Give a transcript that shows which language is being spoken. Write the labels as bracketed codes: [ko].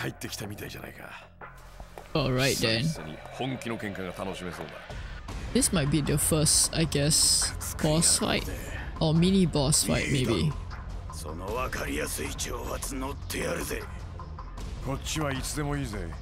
[ja] 俺が勝手にやってるだけのこと。あんたたちがムカついてから絡んだだけだ。組織がどうこうは関係ねえ。てめえ、舐めた口聞きやがって。いいね。気合入ってきたみたいじゃないか。 [en] Alright then. [ja] 本気の喧嘩が楽しめそうだ。 [en] This might be the first, I guess, boss fight. Or mini boss fight, maybe. [ja] その分かりやすい挑発乗ってやるぜ。こっちはいつでもいいぜ。